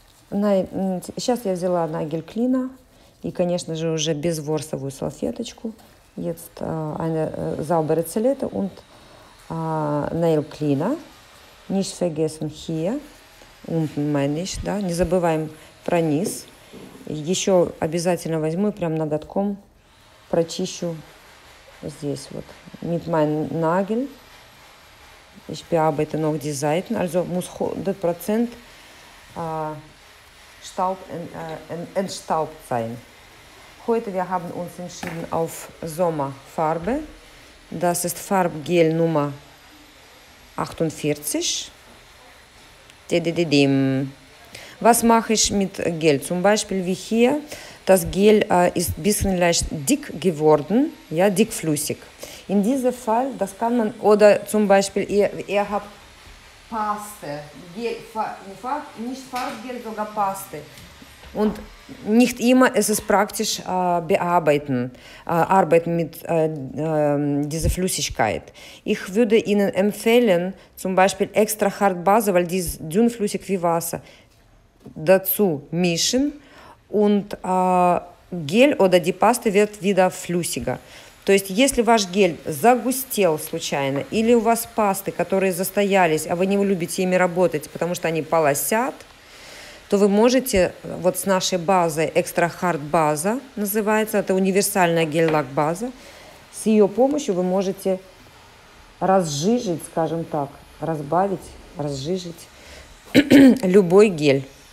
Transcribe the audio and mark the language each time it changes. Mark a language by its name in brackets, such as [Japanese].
[Russian] Сейчас я взяла нагель клина и, конечно же, уже безворсовую салфеточку. [German] Jetzt eine saubere Zellette und nail cleaner. Nicht vergessen hier. Unten meine ich, [Russian] да? Не забываем про низ. Еще обязательно возьму и прям ноготком прочищу здесь вот. [German] Mit meinem Nagel. Ich bearbeite noch die Seiten. Also muss 100% Staub entstaubt sein. Heute wir haben uns entschieden auf Sommerfarbe. Das ist Farbgel Nummer 48. Dididim. Was mache ich mit Gel? Zum Beispiel wie hier. Das Gel ist ein bisschen leicht dick geworden. Ja, dickflüssig. In diesem Fall, das kann man, oder zum Beispiel ihr habt Paste. Und nicht immer ist es praktisch arbeiten mit dieser Flüssigkeit. Ich würde Ihnen empfehlen, zum Beispiel extra Hartbase, weil die ist dünnflüssig wie Wasser, dazu mischen und Gel oder die Paste wird wieder flüssiger. [Russian] То есть, если ваш гель загустел случайно, или у вас пасты, которые застоялись, а вы не любите ими работать, потому что они полосят, то вы можете вот с нашей базой, Extra Hard база называется, это универсальная гель-лак база, с ее помощью вы можете разжижить, скажем так, разжижить любой гель.